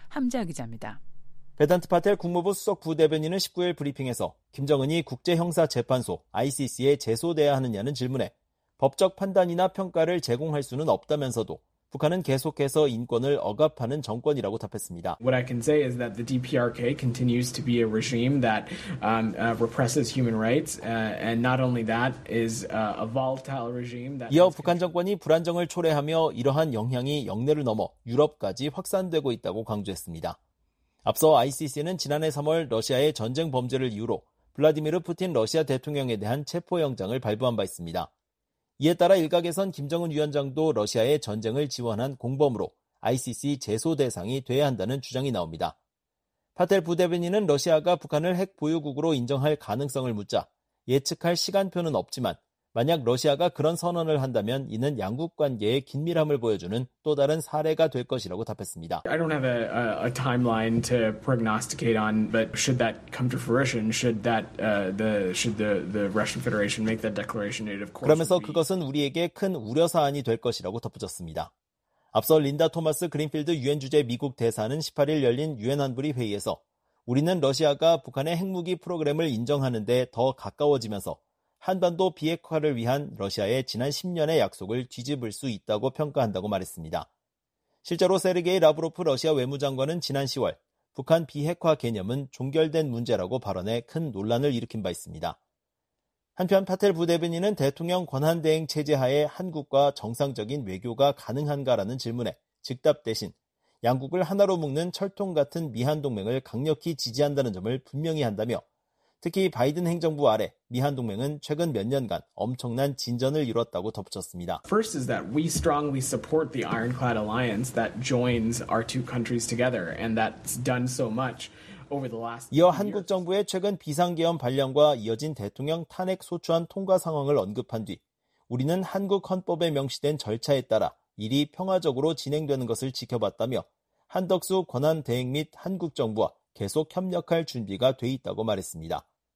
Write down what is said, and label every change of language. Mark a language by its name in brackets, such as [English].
[Korean] 함재아 기자입니다. 베단트 파텔 국무부 수석 부대변인은 19일 브리핑에서 김정은이 국제형사재판소 ICC에 제소돼야 하느냐는 질문에 법적 판단이나 평가를 제공할 수는 없다면서도 북한은 계속해서 인권을 억압하는 정권이라고 답했습니다. [English] What I can say is that the DPRK continues to be a regime that represses human rights and not only that is a volatile regime that [Korean] 이어 북한 정권이 불안정을 초래하며 이러한 영향이 영내를 넘어 유럽까지 확산되고 있다고 강조했습니다. 앞서 ICC는 지난해 3월 러시아의 전쟁 범죄를 이유로 블라디미르 푸틴 러시아 대통령에 대한 체포영장을 발부한 바 있습니다. 이에 따라 일각에선 김정은 위원장도 러시아의 전쟁을 지원한 공범으로 ICC 제소 대상이 돼야 한다는 주장이 나옵니다. 파텔 부대변인은 러시아가 북한을 핵 보유국으로 인정할 가능성을 묻자 예측할 시간표는 없지만 만약 러시아가 그런 선언을 한다면 이는 양국 관계의 긴밀함을 보여주는 또 다른 사례가 될 것이라고 답했습니다. [English] I don't have a timeline to prognosticate on, but should that come to fruition, should the Russian Federation make that declaration, it of course. [Korean] 그러면서 그것은 우리에게 큰 우려 사안이 될 것이라고 덧붙였습니다. 앞서 린다 토마스 그린필드 유엔 주재 미국 대사는 18일 열린 유엔 안보리 회의에서 우리는 러시아가 북한의 핵무기 프로그램을 인정하는 데 더 가까워지면서 한반도 비핵화를 위한 러시아의 지난 10년의 약속을 뒤집을 수 있다고 평가한다고 말했습니다. 실제로 세르게이 라브로프 러시아 외무장관은 지난 10월 북한 비핵화 개념은 종결된 문제라고 발언해 큰 논란을 일으킨 바 있습니다. 한편 파텔 부대변인은 대통령 권한대행 체제 하에 한국과 정상적인 외교가 가능한가라는 질문에 즉답 대신 양국을 하나로 묶는 철통 같은 미한동맹을 강력히 지지한다는 점을 분명히 한다며 특히 바이든 행정부 아래 미한동맹은 최근 몇 년간 엄청난 진전을 이뤘다고 덧붙였습니다. [English] First is that we strongly support the ironclad alliance that joins our two countries together and that's done so much over the last [Korean] 이어 한국 정부의 최근 비상계엄 발령과 이어진 대통령 탄핵 소추안 통과 상황을 언급한 뒤 우리는 한국 헌법에 명시된 절차에 따라 일이 평화적으로 진행되는 것을 지켜봤다며 한덕수 권한대행 및 한국 정부와 계속 협력할 준비가 돼 있다고 말했습니다.